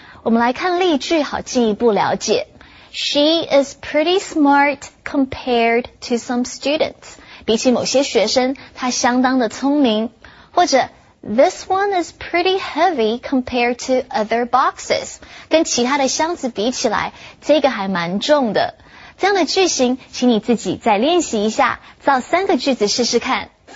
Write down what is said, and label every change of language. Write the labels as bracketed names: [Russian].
[Chinese] 我们来看例句好进一步了解。 [English] She is pretty smart compared to some students. [Chinese] 比起某些学生她相当的聪明。或者 [English] This one is pretty heavy compared to other boxes. [Chinese] 跟其他的箱子比起来这个还蛮重的。这样的句型请你自己再练习一下造三个句子试试看。